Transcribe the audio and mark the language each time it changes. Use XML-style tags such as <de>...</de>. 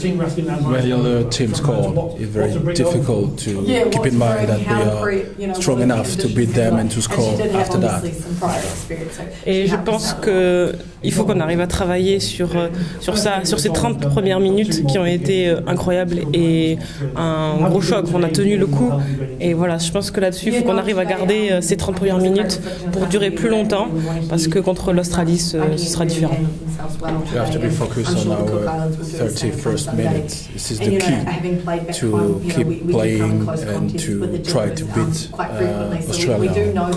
<en>When the other team score, it's very difficult to keep in mind that they are strong enough to beat them and to score after that.</en> <fr>Et je pense que il faut qu'on arrive à travailler sur ça, sur ces 30 premières minutes qui ont été incroyables et un gros choc. On a tenu le coup et voilà, je pense que là-dessus, il faut qu'on arrive à garder ces 30 premières minutes pour durer plus longtemps, parce que contre l'Australie, ce sera différent.</fr> <en>We have to be focused on our 31st minute. This is the key to keep playing and to try to beat Australia.</en>